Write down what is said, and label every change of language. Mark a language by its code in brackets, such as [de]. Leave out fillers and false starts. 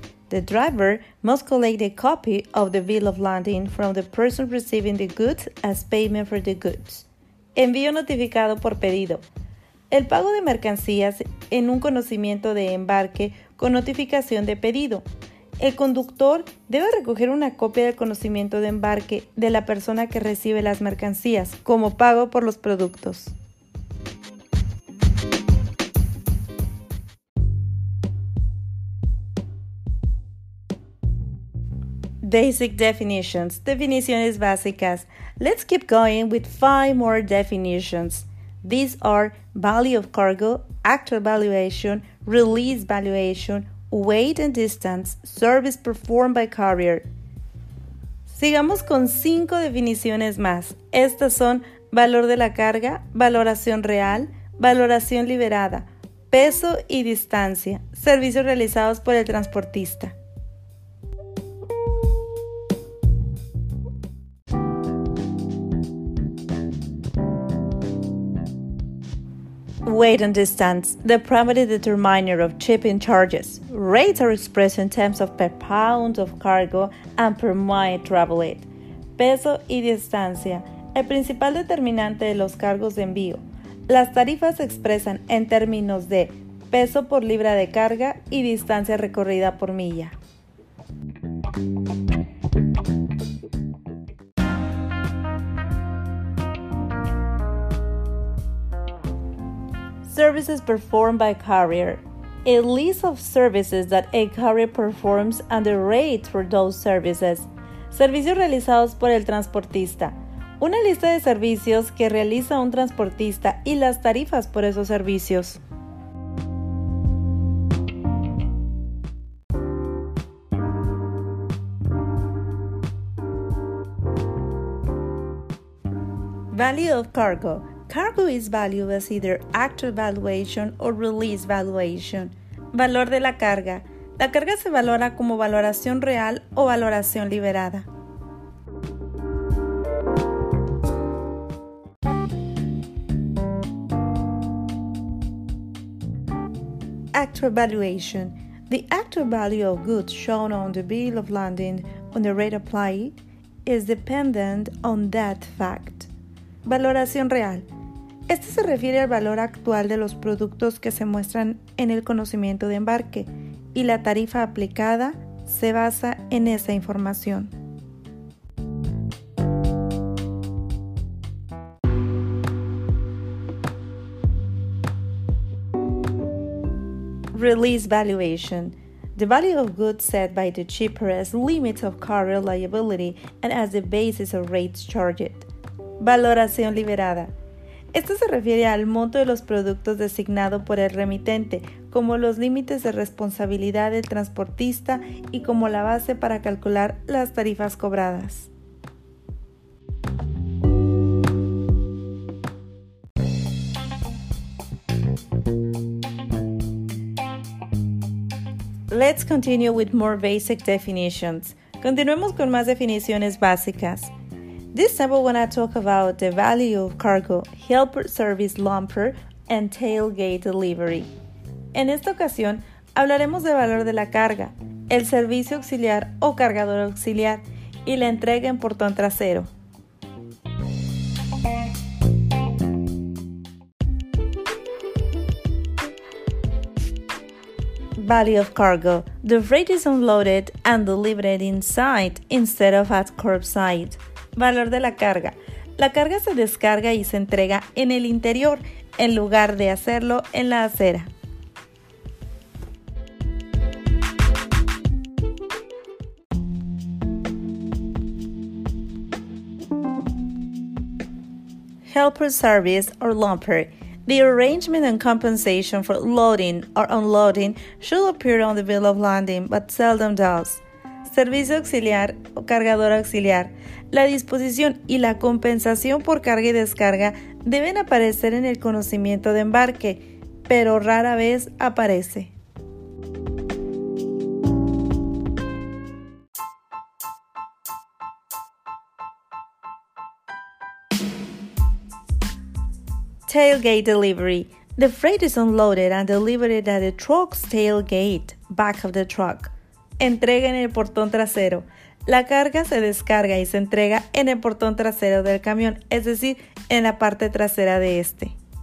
[en] The driver must collect a copy of the bill of lading from the person receiving the goods as payment for the goods. [es] Envío notificado por pedido. El pago de mercancías en un conocimiento de embarque con notificación de pedido. El conductor debe recoger una copia del conocimiento de embarque de la persona que recibe las mercancías como pago por los productos. [en] Basic definitions, [es] definiciones básicas. [en] Let's keep going with five more definitions. These are value of cargo, actual valuation, release valuation, weight and distance, service performed by carrier. [es] Sigamos con cinco definiciones más. Estas son valor de la carga, valoración real, valoración liberada, peso y distancia, servicios realizados por el transportista. [en] Weight and distance, the primary determiner of shipping charges. Rates are expressed in terms of per pound of cargo and per mile traveled. [es] Peso y distancia, el principal determinante de los cargos de envío. Las tarifas se expresan en términos de peso por libra de carga y distancia recorrida por milla. [en] Services performed by carrier. A list of services that a carrier performs and the rate for those services. [es] Servicios realizados por el transportista. Una lista de servicios que realiza un transportista y las tarifas por esos servicios. [en] Value of cargo. Cargo is valued as either actual valuation or release valuation. [es] Valor de la carga. La carga se valora como valoración real o valoración liberada. [en] Actual valuation. The actual value of goods shown on the bill of lading on the rate applied is dependent on that fact. [es] Valoración real. Este se refiere al valor actual de los productos que se muestran en el conocimiento de embarque y la tarifa aplicada se basa en esa información. [en] Release valuation. The value of goods set by the shipper as limits of carrier liability and as the basis of rates charged. [es] Valoración liberada. Esto se refiere al monto de los productos designado por el remitente, como los límites de responsabilidad del transportista y como la base para calcular las tarifas cobradas. [en] Let's continue with more basic definitions. [es] Continuemos con más definiciones básicas. [en] This time we want to talk about the value of cargo, helper service lumper, and tailgate delivery. [es] En esta ocasión, hablaremos del valor de la carga, el servicio auxiliar o cargador auxiliar, y la entrega en portón trasero. [en] Value of cargo. The freight is unloaded and delivered inside instead of at curbside. [es] Valor de la carga. La carga se descarga y se entrega en el interior en lugar de hacerlo en la acera. [en] helper service, or lumper. The arrangement and compensation for loading or unloading should appear on the bill of lading, but seldom does. [es] Servicio auxiliar o cargador auxiliar. La disposición y la compensación por carga y descarga deben aparecer en el conocimiento de embarque, pero rara vez aparece. [en] Tailgate delivery. The freight is unloaded and delivered at the truck's tailgate, back of the truck. [es] Entrega en el portón trasero. La carga se descarga y se entrega en el portón trasero del camión, es decir, en la parte trasera de este.